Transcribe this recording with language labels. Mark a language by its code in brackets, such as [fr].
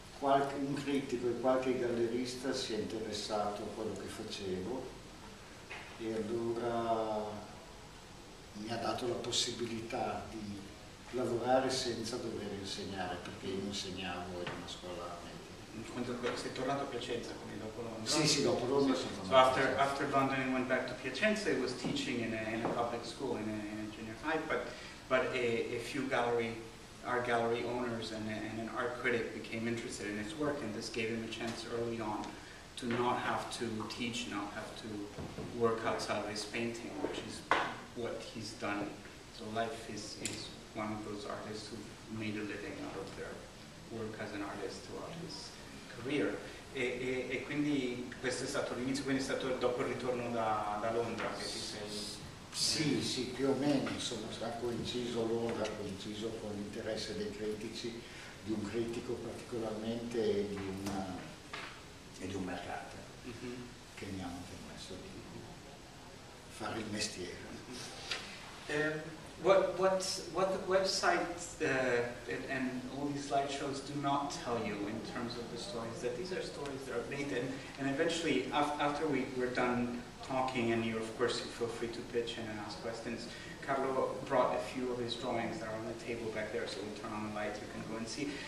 [it] Un critico e qualche gallerista si è interessato a quello che facevo, e allora mi ha dato la possibilità di lavorare senza dover insegnare, perché io insegnavo in una scuola. Sei tornato a Piacenza, quindi dopo Londra? Sì, sì, dopo Londra sono tornato. [en] So after London and went back to Piacenza, I was teaching in a public school, in a junior high, but a few art gallery owners and an art critic became interested in his work, and this gave him a chance early on to not have to teach, not have to work outside of his painting, which is what he's done. So Life is one of those artists who made a living out of their work as an artist throughout his career. [it] E quindi questo è stato l'inizio, quindi è stato dopo il ritorno da Londra che ti sei... Sì, sì, più o meno, insomma, ha coinciso Londra, ha coinciso con l'interesse dei critici, di un critico particolarmente e di un mercato, che mi hanno permesso di fare il mestiere. [en] What the website and all these slideshows do not tell you in terms of the stories, that these are stories that are made, and eventually after we're done talking, and you of course you feel free to pitch in and ask questions, Carlo brought a few of his drawings that are on the table back there, so we'll turn on the lights, you can go and see.